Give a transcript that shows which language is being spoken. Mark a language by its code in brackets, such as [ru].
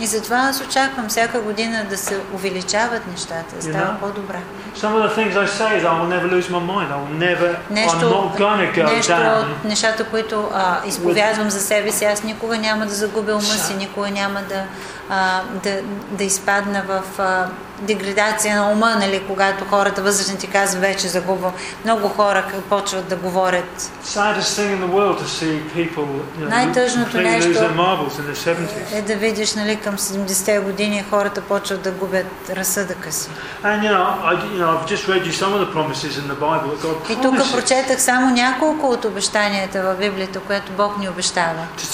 [bg] И затова аз очаквам всяка година да се увеличават нещата, да става по-добра. [en] Some of the things I say is I will never lose my mind. I will never, [bg] нещо, [en] I'm not gonna go [bg] нещо [en] down. [bg] От нещата, които изповядвам за себе си, аз никога няма да загубя ума си, никога няма да да изпадна в деградация на ума, нали, когато хората възрастни ти казват вече загуба. Много хора почват да говорят. [en] Saddest thing in the world to see people, you know, [bg] най-тъжното нещо [en] lose their marbles in their 70s. [bg] Е да видиш, нали, към 70-те години хората почват да губят разсъдъка си. [en] And, you know, I've just read you some of the promises in the Bible that God promises. [bg] И тук прочетах само няколко от обещанията в Библията, което Бог ни обещава.